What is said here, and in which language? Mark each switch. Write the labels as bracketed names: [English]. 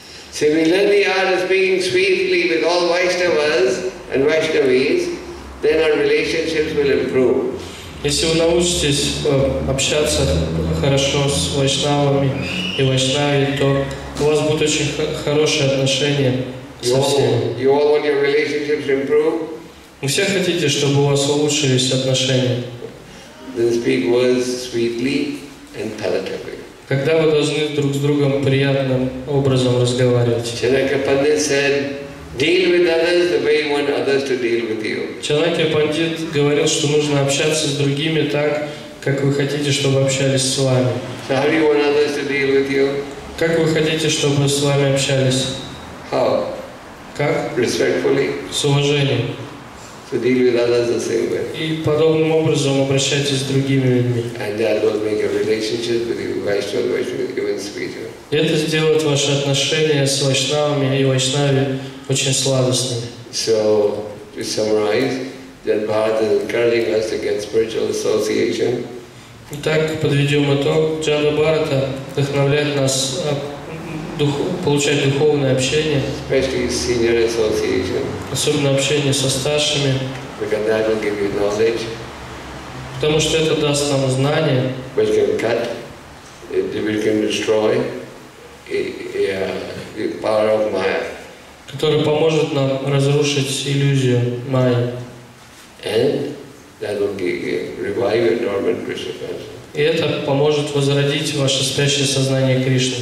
[English] Similarly, are speaking sweetly with all Vaishnavas and Vaishnavis, then our relationships will improve. [Russian] Если вы научитесь общаться хорошо с Вайшнавами и Вайшнави, то у вас будут очень хорошие отношения. [English] You all want your relationships to improve? [Russian] Вы все хотите, чтобы у вас улучшились отношения? [English] Then speak words sweetly and palatably. [Russian] Когда вы должны друг с другом приятным образом разговаривать? [English] Чанакья Пандит said, deal with others the way you want others to deal with you. [Russian] Чанакья Пандит говорил, что нужно общаться с другими так, как вы хотите, чтобы общались с вами. [English] So how do you want others to deal with you? [Russian] Как вы хотите, чтобы с вами общались? [English] How? [Russian] Как? [English] Respectfully. [Russian] С уважением. [English] So deal with others the same way. [Russian] И подобным образом обращайтесь с другими людьми. [English] And that will make your relationship with your Vaishnavas even sweeter. [Russian] Это сделает ваши отношения с Вайшнавами и Вайшнави очень сладостными. [English] So, to summarize, that Bharata is encouraging us to get spiritual association. [Russian] Итак, подведем итог. Джанда Бхарата вдохновляет нас получать духовное общение, [English] especially senior association. [Russian] Особенно общение со старшими, [English] because that will give you knowledge, [Russian] потому что это даст нам знания, [English] which can cut, which can destroy the power of Maya, [Russian] который поможет нам разрушить иллюзию Майи, [English] and that will revive your dormant Krishna consciousness. [Russian] И это поможет возродить ваше спящее сознание Кришны.